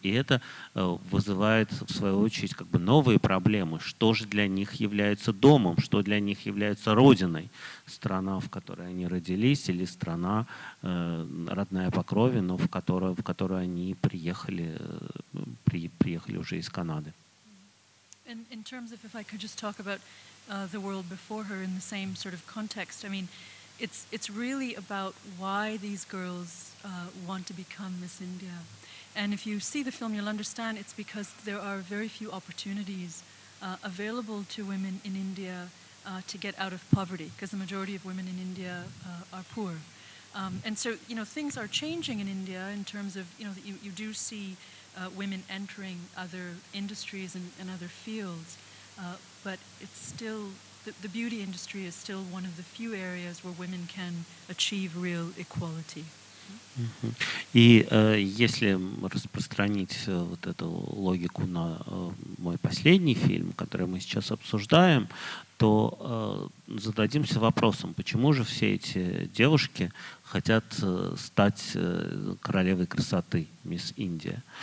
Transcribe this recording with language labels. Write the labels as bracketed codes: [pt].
[ru] И это вызывает, в свою очередь, как бы новые проблемы. Что же для них является домом, что для них является родиной? Страна, в которой они родились, или страна, родная по крови, но в которую они приехали уже из Канады. [en] In terms of, if I could just talk about the world before her in the same sort of context, I mean, it's really about why these girls want to become Miss India. And if you see the film, you'll understand it's because there are very few opportunities available to women in India to get out of poverty, because the majority of women in India are poor. And so, you know, things are changing in India in terms of, you know, you do see women entering other industries and other fields, but it's still the beauty industry is still one of the few areas where women can achieve real equality. [ru] И если распространить вот эту логику на мой последний фильм, который мы сейчас обсуждаем, то зададимся вопросом, почему же все эти девушки хотят стать королевой красоты, мисс Индия.